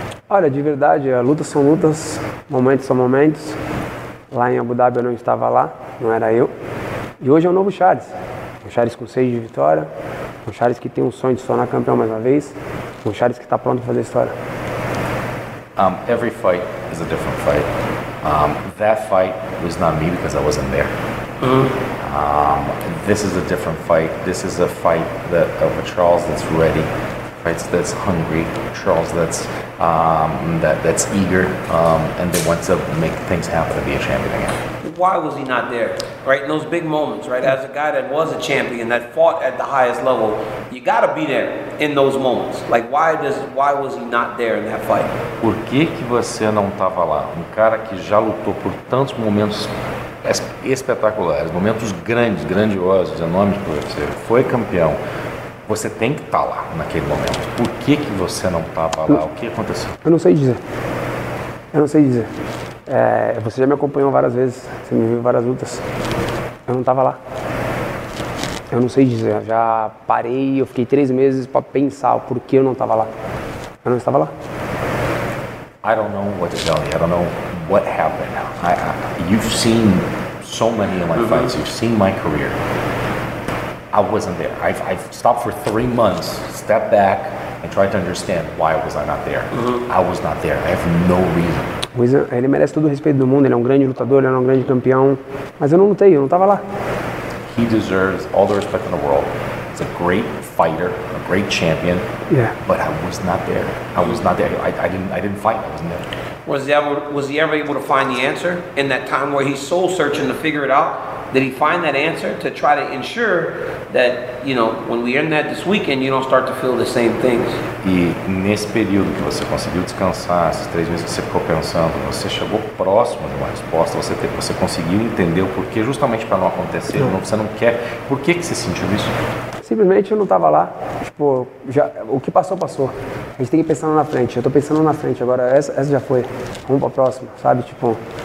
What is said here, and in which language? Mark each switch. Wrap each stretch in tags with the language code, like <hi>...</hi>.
<pt>Olha, de verdade, lutas são lutas, momentos são momentos. Lá em Abu Dhabi eu não estava lá, não era eu. E hoje é o novo Charles. O Charles com 6 de vitória. O Charles que tem um sonho de se tornar campeão mais uma vez. O Charles que está pronto para fazer história.</pt> <en>Every fight is a different fight. That fight was not me because I wasn't there. This is a different fight. This is a fight that of a Charles that's ready, right? That's hungry, Charles that's that's eager, and they want to make things happen to be a champion again. Why was he not there, right? In those big moments, right? As a guy that was a champion, that fought at the highest level, you gotta be there in those moments. Like, why was he not there in that fight?</en> <pt>Por que que você não tava lá? Um cara que já lutou por tantos momentos espetaculares, momentos grandes, grandiosos, enormes para você, foi campeão. Você tem que estar lá naquele momento. Por que que você não tava lá? O que aconteceu? Eu não sei dizer. Você já me acompanhou várias vezes, você me viu várias lutas. Eu não tava lá. Eu não sei dizer, já parei, eu fiquei 3 meses para pensar o porquê eu não tava lá. Eu não estava lá.</pt> <en>I don't know what to tell you, I don't know what happened. You've seen so many of my fights, you've seen my career. I wasn't there. I've stopped for 3 months, stepped back and tried to understand why was I not there. I was not there, I have no reason.</en> <pt>Ele merece todo o respeito do mundo, ele é um grande lutador, ele é um grande campeão, mas eu não lutei, eu não estava lá.</pt> <en>He deserves all the respect in the world. He's a great fighter, a great champion. Yeah. But I was not there. I didn't fight. I wasn't there. Was he ever able to find the answer in that time where he's soul searching to figure it out? Did he find that answer to try to ensure that, you know, when we end that this weekend, you don't start to feel the same things?</en> <pt>E nesse período que você conseguiu descansar, esses três meses que você ficou pensando, você chegou próximo de uma resposta, você conseguiu entender o porquê, justamente para não acontecer, não. Você não quer. Por que que você sentiu isso? Simplesmente eu não estava lá. Tipo, já, o que passou, passou. A gente tem que pensar na frente. Eu estou pensando na frente agora. Essa já foi. Vamos para a próxima, sabe? Tipo...</pt>